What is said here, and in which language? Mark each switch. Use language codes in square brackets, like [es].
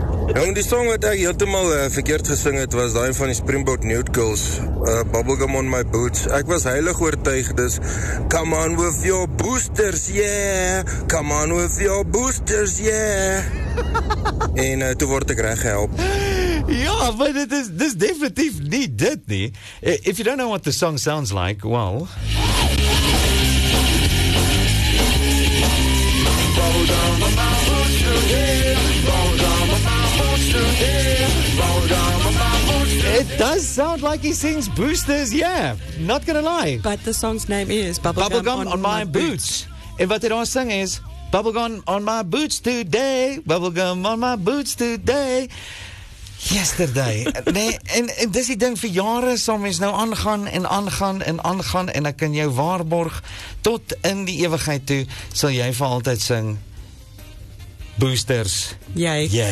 [af] Jong, die song wat ek heeltemal verkeerd gesing het, was daai van die Springbok Nude Girls, Bubblegum on My Boots. Ek was heilig oortuig, dis [en] Come on with your boosters, yeah. Come on with your boosters, yeah. [af] En toe word ek reg gehelp. Ja, maar dit is definitief nie dit nie. [en] If you don't know what the song sounds like, well... Does sound like he sings boosters, yeah. Not gonna lie. But the song's name is Bubblegum on my boots. And what they don't sing is Bubblegum on my boots today. Bubblegum on my boots today. Yesterday. [af] en dis die ding vir jare som mens nou aangaan en aangaan en aangaan en ek kan jou waarborg tot in die ewigheid toe sal jy vir altyd sing boosters. Jy.